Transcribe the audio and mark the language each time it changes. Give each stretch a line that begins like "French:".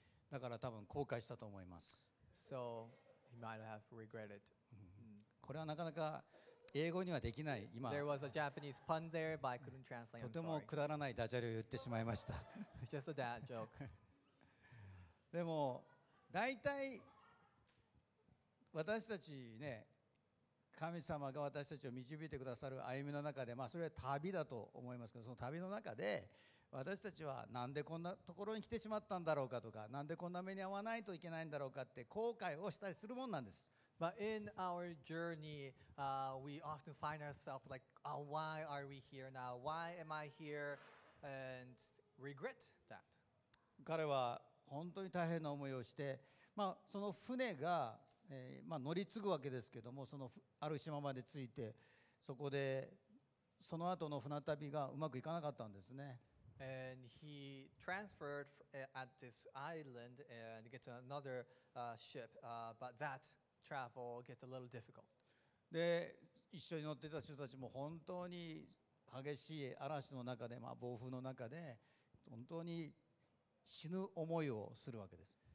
Japanese: だから多分後悔したと思います。
English: So he might have regretted.
Japanese: これはなかなか英語にはできない今。
English: There was a Japanese pun there, but I couldn't translate.
Japanese: とてもくだらないダジャレを言ってしまいました。
English: Just a dad joke.
Japanese: でも大体私たちね、神様が私たちを導いてくださる歩みの中で、まあそれは旅だと思いますけど、その旅の中で私たちはなんでこんなところに来てしまったんだろうかとか、なんでこんな目に遭わないといけないんだろうかって後悔をしたりするもんなんです。
English: But in our journey, we often find ourselves like, why are we here now? Why am I here? And regret that.
Japanese: 彼は本当に大変な思いをして、まあその船が乗り継ぐわけですけども、そのある島まで着いて、そこでその後の船旅がうまくいかなかったんですね。
English: And he transferred at this island and gets another ship, but that travel gets a little difficult.
Japanese: で、一緒に乗ってた人たちも本当に激しい嵐の中で、まあ、暴風の中で本当に死ぬ思いをするわけです。